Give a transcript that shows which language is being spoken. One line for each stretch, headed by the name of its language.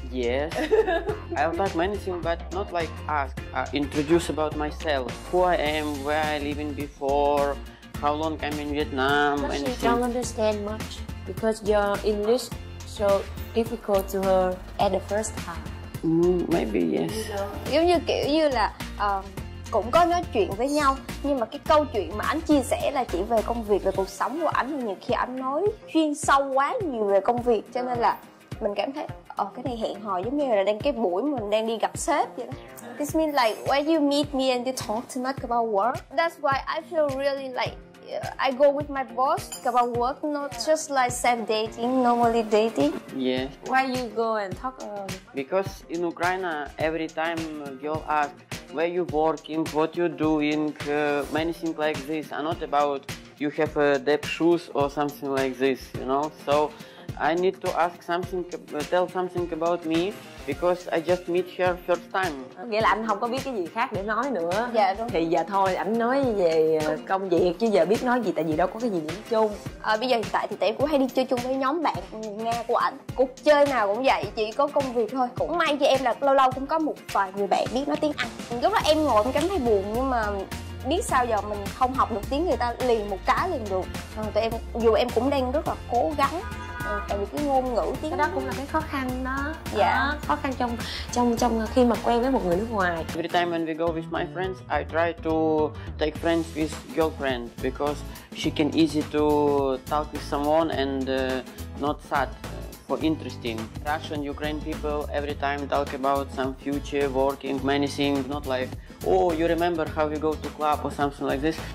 English: Yes, I'll talk many things, but not like ask. Introduce about myself, who I am, where I living before. How long I'm in Vietnam? But she don't understand much because your English so difficult to her at the first time. Maybe yes.
Vietnamese: Giống như kiểu như là cũng có nói chuyện với nhau nhưng mà cái câu chuyện mà anh chia sẻ là chỉ về công việc, về cuộc sống của anh, nhiều khi anh nói chuyên sâu quá nhiều về công việc cho nên là mình cảm thấy cái này hẹn hò giống như là đang cái buổi mình đang đi gặp sếp vậy đó.
English: This means like when you meet me and you talk too much about work. That's why I feel really like I go with my boss about work, not just like safe dating, normally dating. Yeah. Why you go and talk? Because in Ukraine, every time girl ask where you working, what you doing, many things like this are not about you have a deep shoes or something like this, you know. So I need to ask something, tell something about me. Because I just meet her first time.
Vietnamese: Nghĩa là anh không có biết cái gì khác để nói nữa. Dạ đúng. Thì giờ thôi anh nói về công việc chứ giờ biết nói gì, tại vì đâu có cái gì điểm chung. Bây giờ hiện tại thì Tiểu cũng hay đi chơi chung với nhóm bạn Nga của anh. Cuộc chơi nào cũng vậy, chỉ có công việc thôi. Cũng may cho em là lâu lâu cũng có một vài người bạn biết nói tiếng Anh. Lúc đó em ngồi em cảm thấy buồn nhưng mà biết sao giờ mình không học được tiếng người ta liền một cái liền được. Tụi em dù em cũng đang rất là cố gắng. Tại vì cái ngôn ngữ tiếng đó cũng là cái khó khăn đó. Dạ. Khó khăn trong khi mà quen với một người nước ngoài.
English: Every time when we go with my friends, I try to take friends with girlfriend because she can easy to talk with someone and not sad for interesting. Russian, Ukraine people every time talk about some future, working, many things, not like oh, you remember how we go to club or something like this.